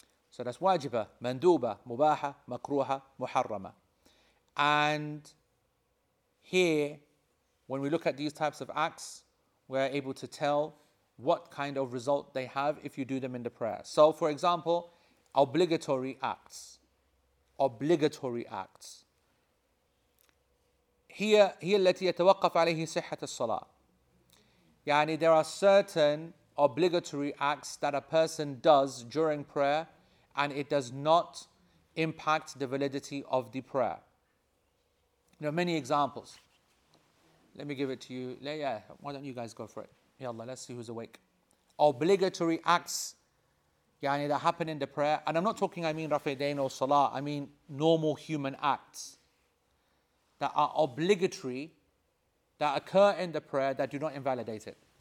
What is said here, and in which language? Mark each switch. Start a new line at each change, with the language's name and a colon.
English: So that's wajiba, manduba, mubaha, makruha, muharrama. And here, when we look at these types of acts, we're able to tell what kind of result they have if you do them in the prayer. So for example, obligatory acts.
Arabic: هي التي يتوقف عليه صحة الصلاة.
English: يعني there are certain obligatory acts that a person does during prayer and it does not impact the validity of the prayer. There are many examples. Let me give it to you. Yeah, why don't you guys go for it? Yalla, let's see who's awake. Obligatory acts, يعني that happen in the prayer, and I'm not talking, I mean Rafidain or Salah, I mean normal human acts that are obligatory, that occur in the prayer, that do not invalidate it.